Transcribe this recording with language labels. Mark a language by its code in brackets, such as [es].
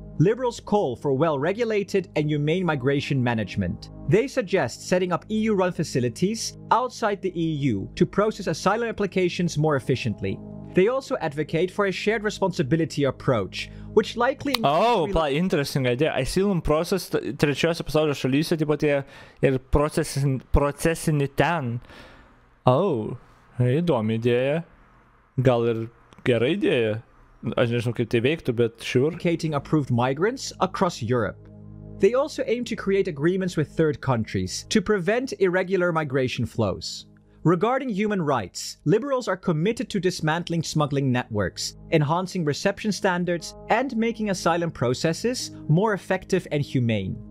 [en] Liberals call for well-regulated and humane migration management. They suggest setting up EU-run facilities outside the EU to process asylum applications more efficiently. They also advocate for a shared responsibility approach, which likely... Interesting idea. Asylum process [lt] trečiose pasaulio šalyse, taip pat ir procesinį ten. Įdomi idėja. Gal ir gera idėja. Aš nežinau, kaip tai veiktų, bet sure. [en] ...educating approved migrants across Europe. They also aim to create agreements with third countries to prevent irregular migration flows. Regarding human rights, liberals are committed to dismantling smuggling networks, enhancing reception standards, and making asylum processes more effective and humane.